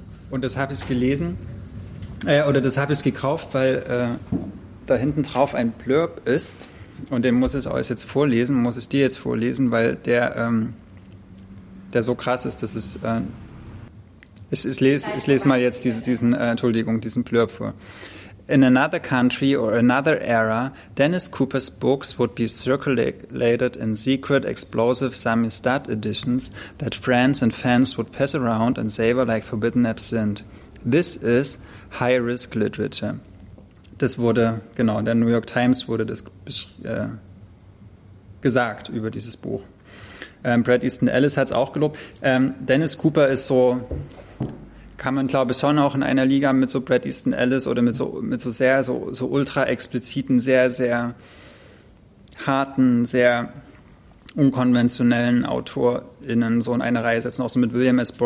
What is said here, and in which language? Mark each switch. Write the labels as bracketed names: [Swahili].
[German] Und das habe ich gelesen, oder das habe ich gekauft, weil da hinten drauf ein Blurb ist. Und den muss ich euch jetzt vorlesen, muss ich dir jetzt vorlesen, weil der so krass ist, dass es... ich lese mal jetzt diesen Blurb vor. [English] In another country or another era, Dennis Cooper's books would be circulated in secret, explosive Samizdat editions that friends and fans would pass around and savor like forbidden absinthe. This is high-risk literature. [German] Das wurde, genau, der New York Times wurde das gesagt über dieses Buch. Bret Easton Ellis hat es auch gelobt. Dennis Cooper ist so, kann man glaube ich schon auch in einer Liga mit so Bret Easton Ellis oder mit so ultra expliziten, sehr, sehr harten, sehr unkonventionellen AutorInnen so in eine Reihe setzen, auch so mit William S.